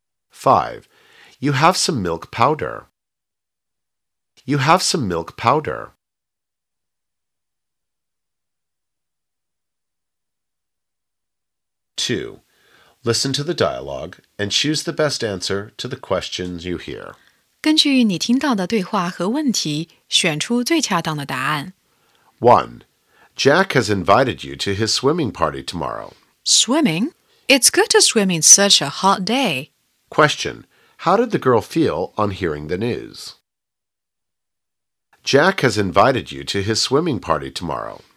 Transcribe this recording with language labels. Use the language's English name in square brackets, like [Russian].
[English] 5. You have some milk powder. You have some milk powder. 2. Listen to the dialogue and choose the best answer to the questions you hear. [Chinese] 根据你听到的对话和问题，选出最恰当的答案。 [English] 1. Jack has invited you to his swimming party tomorrow. Swimming? It's good to swim in such a hot day. Question. How did the girl feel on hearing the news? Jack has invited you to his swimming party tomorrow.